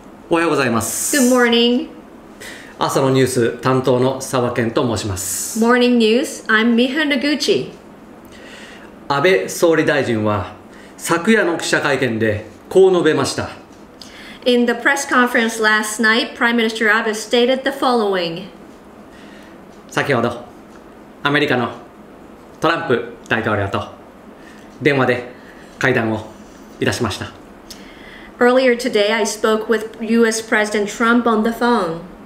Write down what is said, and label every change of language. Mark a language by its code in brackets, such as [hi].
[ja] おはようございます。 [en] Good morning。 [ja] 朝のニュース担当の澤健と申します。 [en] Morning News, I'm Miha Noguchi。 [ja] 安倍総理大臣は昨夜の記者会見でこう述べました。 [en] In the press conference last night, Prime Minister Abe stated the following。 [ja] 先ほどアメリカのトランプ大統領と電話で会談をいたしました。 [en] Earlier today, I spoke with U.S. President Trump on the phone.